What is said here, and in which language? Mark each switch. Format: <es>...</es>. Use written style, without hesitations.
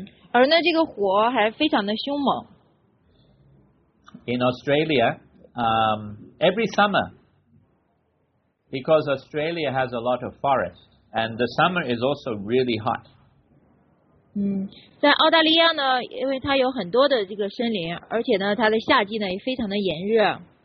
<zh>而呢，这个火还非常的凶猛。</zh> <en>In Australia, every summer, because Australia has a lot of forest, and the summer is also really hot.</en> <zh>在澳大利亚呢，因为它有很多的这个森林，而且呢，它的夏季呢也非常的炎热。</zh>